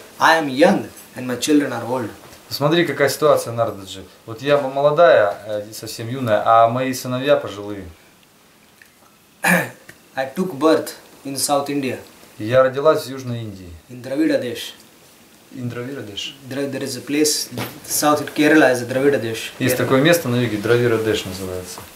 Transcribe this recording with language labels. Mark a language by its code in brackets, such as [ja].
[en] I am young and my children are old. [ru] Смотри, какая ситуация, Нарададжи. Вот я молодая, совсем юная, а мои сыновья пожилые. [en] I took birth in South India. [ru] Я родилась в Южной Индии. [en] In Dravida Desh. In Dravida Desh. There is a place south of Kerala is Dravida Desh. [ru] Есть Kerala. Такое место на юге, Dravida Desh называется.